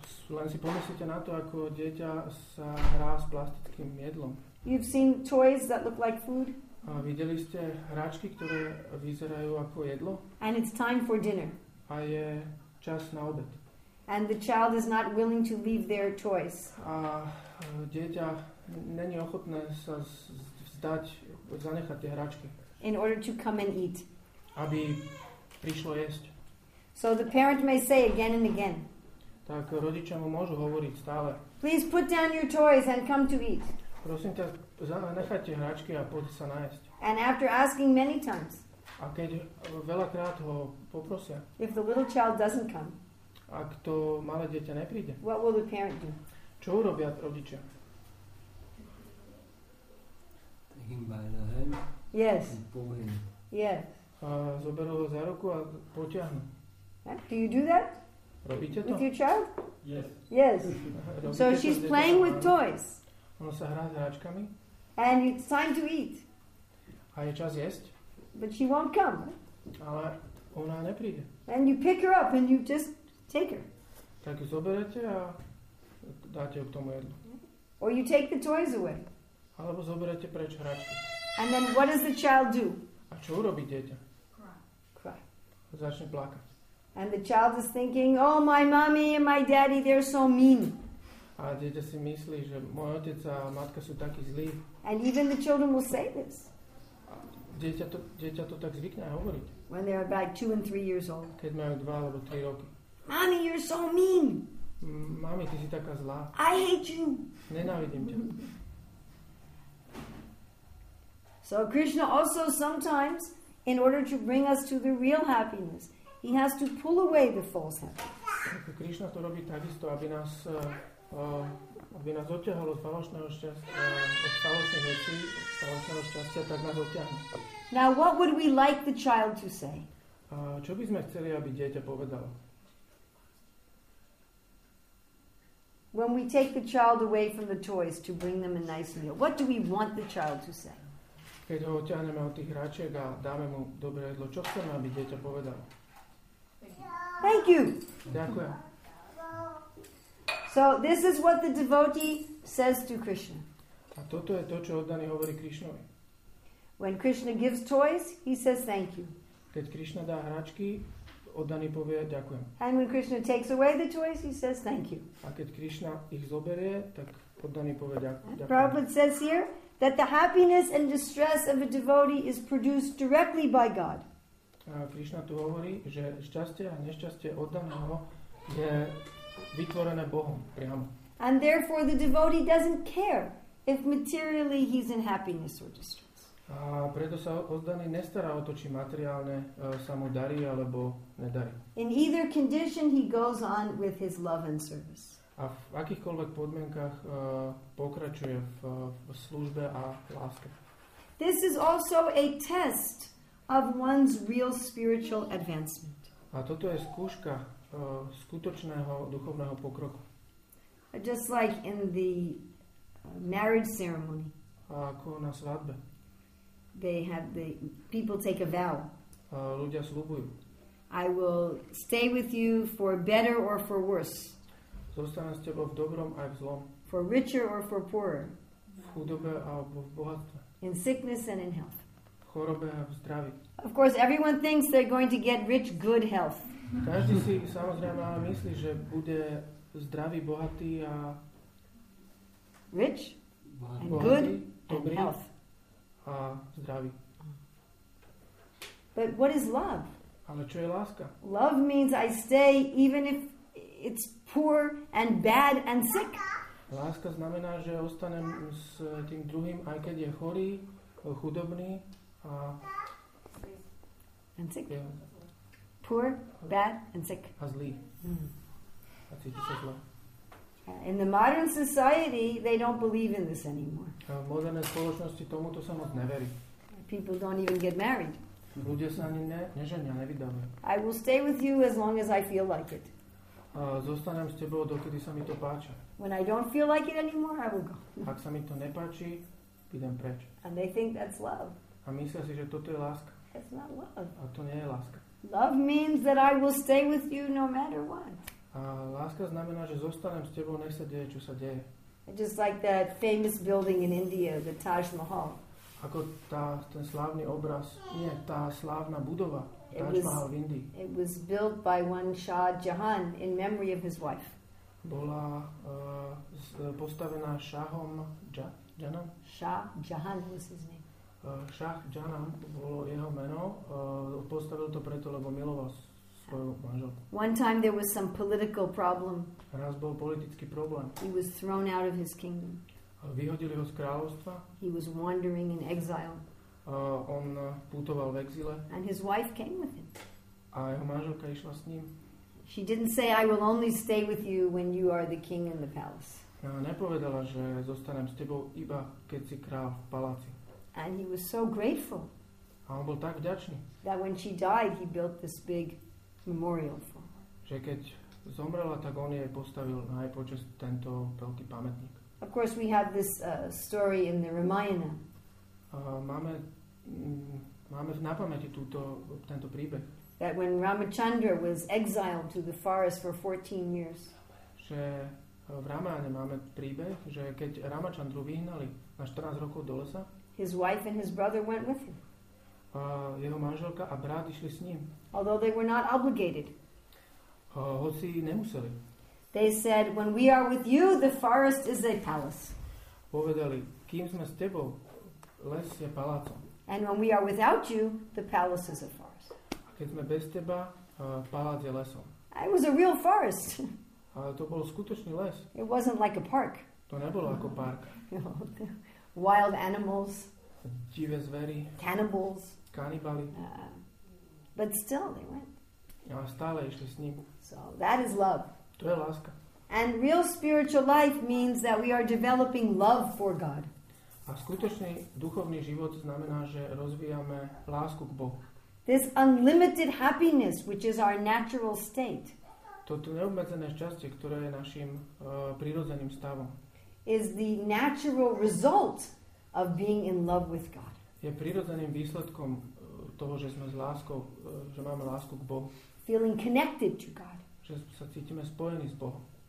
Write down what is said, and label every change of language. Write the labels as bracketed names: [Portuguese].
[Slovak] Len si pomyslite na to, ako dieťa sa hrá s plastickým jedlom. [English] You've seen toys that look like food? [Slovak] Videli ste hračky, ktoré vyzerajú ako jedlo? [English] And it's time for dinner. [Slovak] A je čas na obed. [English] And the child is not willing to leave their toys. [Slovak] A dieťa není ochotné sa vzdať, zanechať tie hračky. [English] In order to come and eat. [Slovak] Aby prišlo jesť. [English] So the parent may say again and again. [Slovak] Tak rodičia mu môžu hovoriť stále. [English] Please put down your toys and come to eat. [Slovak] Prosím ťa, nechaj tie hračky a poď sa najesť. [English] And after asking many times. [Slovak] A keď veľakrát ho poprosia. [English] If the little child doesn't come. [Slovak] Ak to malé dieťa nepríde. [English] What will the parent do? [Slovak] Čo urobia rodičia? [English] Take him by the hand. Yes. And pull him. Yes. [Slovak] A zoberú ho za ruku a potiahnu. [English] Do you do that? [Slovak] Robíte to? [English] With your child? Yes. Yes. So she's playing with toys. [Slovak] Ono sa hrá s hračkami. [English] And it's time to eat. [Slovak] A je čas jesť. [English] But she won't come. [Slovak] Ale ona nepríde. [English] And you pick her up and you just take her. [Slovak] Tak ju zoberete a dáte ju k tomu jedlu. [English] Or you take the toys away. [Slovak] Alebo zoberete preč hračky. [English] And then what does the child do? [Slovak] A čo urobí dieťa? [English] Cry. [Slovak] Začne plakať. [English] And the child is thinking, oh, my mommy and my daddy, they're so mean. [Slovak] A dieťa si myslí, že môj otec a matka sú takí zlí. [English] And even the children will say this. [Slovak] Dieťa to tak zvykne hovoriť. [English] When they're about 2 and 3 years old. [Slovak] Keď majú 2 alebo 3 roky. [English] Mommy, you're so mean. [Slovak] Mami, ty si taká zlá. [English] I hate you. [Slovak] Nenávidím ťa. [English] So Krishna also sometimes, in order to bring us to the real happiness, he has to pull away the false happiness. [Slovak] Krishna to robí takisto, aby nás odťahol od falošného šťastia, od falošných vecí, falošného šťastia, tak nás odťahne. [English] Now what would we like the child to say? [Slovak] Čo by sme chceli, aby dieťa povedalo? [English] When we take the child away from the toys to bring them a nice meal, what do we want the child to say? [Slovak] Keď ho odťahneme od tých hračiek a dáme mu dobré jedlo, čo chceme, aby dieťa povedalo? [English] Thank you. [Slovak] Ďakujem. [English] So this is what the devotee says to Krishna. [Slovak] A toto je to, čo oddaný hovorí Krishnovi. [English] When Krishna gives toys, he says thank you. [Slovak] Keď Krishna dá hračky, oddaný povie ďakujem. [English] And when Krishna takes away the toys, he says thank you. [Slovak] A keď Krishna ich zoberie, tak oddaný povie ďakujem. [English] Prabhupada says here that the happiness and distress of a devotee is produced directly by God. [Slovak] A Krishna tu hovorí, že šťastie a nešťastie oddaného je vytvorené Bohom priamo. [English] And therefore the devotee doesn't care if materially he's in happiness or distress. [Slovak] A preto sa oddaný nestará o to, či materiálne sa mu darí alebo nedarí. [English] In either condition he goes on with his love and service. [Slovak] A v akýchkoľvek podmienkach pokračuje v službe a láske. [English] This is also a test of one's real spiritual advancement. [Slovak] A toto je skúška skutočného duchovného pokroku. [English] Just like in the marriage ceremony. [Slovak] A ako na svadbe. [English] They have the people take a vow. [Slovak] A ľudia sľubujú. [English] I will stay with you for better or for worse. [Slovak] Zostanem s tebou v dobrom aj v zlom. [English] For richer or for poorer. [Slovak] V chudobe alebo v bohatstve. [English] In sickness and in health. [Slovak] V chorobe a v zdraví. [English] Of course, everyone thinks they're going to get rich, good health. [Slovak] Každý si samozrejme myslí, že bude zdravý, bohatý a [English] rich, [Slovak] bohatý, [English] and good, [Slovak] dobrý [English] and health. [Slovak] A zdravý. [English] But what is love? [Slovak] Ale čo je láska? [English] Love means I stay even if it's poor and bad and sick. [Slovak] Láska znamená, že ostanem s tým druhým, aj keď je chorý, chudobný a [English] and sick. Poor, bad and sick. [Slovak] A zlý. A cíti sa zle. [English] In the modern society, they don't believe in this anymore. [Slovak] A v modernej spoločnosti tomu to sa moc neverí. [English] People don't even get married. [Slovak] Ľudia sa ani neženia, nevydávajú. [English] I will stay with you as long as I feel like it. [Slovak] A zostanem s tebou, dokedy sa mi to páči. [English] When I don't feel like it anymore, I will go. [Slovak] Ak sa mi to nepáči, idem preč. [English] And they think that's love. [Slovak] A myslia si, že toto je láska. [English] It's not love. [Slovak] A to nie je láska. [English] Love means that I will stay with you no matter what. [Slovak] A láska znamená, že zostanem s tebou, nech sa deje, čo sa deje. [English] Just like that famous building in India, the Taj Mahal. [Slovak] Ako tá, ten slávny obraz, nie, tá slávna budova, Taj Mahal v Indii. [English] It was built by one Shah Jahan in memory of his wife. [Slovak] Bola postavená Shahom Jahanom? [English] Shah Jahan was his name. [Slovak] Shah Jahan bolo jeho meno. Postavil to preto, lebo miloval svoju manželku. [English] One time there was some political problem. [Slovak] Raz bol politický problém. [English] He was thrown out of his kingdom. [Slovak] Vyhodili ho z kráľovstva. [English] He was wandering in exile. [Slovak] On putoval v exile. [English] And his wife came with him. [Slovak] A jeho manželka išla s ním. [English] She didn't say, I will only stay with you when you are the king in the palace. [Slovak] Nepovedala, že zostanem s tebou iba, keď si kráľ v paláci. [English] And he was so grateful. [Slovak] A on bol tak vďačný. [English] That when she died, he built this big memorial for her. [Slovak] Že keď zomrela, tak on jej postavil na jej počest tento veľký pamätník. [English] Of course, we have this story in the Ramayana. [Slovak] Máme na pamäti tento príbeh. [English] That when Ramachandra was exiled to the forest for 14 years. [Slovak] Že v Ramayane máme príbeh, že keď Ramachandru vyhnali na 14 rokov do lesa, [English] his wife and his brother went with him. [Slovak] Jeho manželka a brat išli s ním. [English] Although they were not obligated. [Slovak] Hoci nemuseli. [English] They said, when we are with you, the forest is a palace. [Slovak] Povedali, kým sme s tebou, les je palácom. [English] And when we are without you, the palace is a forest. [Slovak] A keď sme bez teba, palác je lesom. [English] It was a real forest. [Slovak] To bol skutočný les. [English] It wasn't like a park. [Slovak] To nebolo ako park. [English] Wild animals. [Slovak] Divé zvery. [English] Cannibals. [Slovak] Kanibali. [English] But still they went. [Slovak] A stále išli s ním. [English] So that is love. [Slovak] To je láska. [English] And real spiritual life means that we are developing love for God. [Slovak] A skutočný duchovný život znamená, že rozvíjame lásku k Bohu. [English] This unlimited happiness, which is our natural state. [Slovak] Toto neobmedzené šťastie, ktoré je našim prirodzeným stavom. [English] Is the natural result of being in love with God. [Slovak] Je prirodzeným výsledkom toho, že sme s láskou, že máme lásku k Bohu. [English] Feeling connected to God. [Slovak] Že sa cítime spojení s Bohom.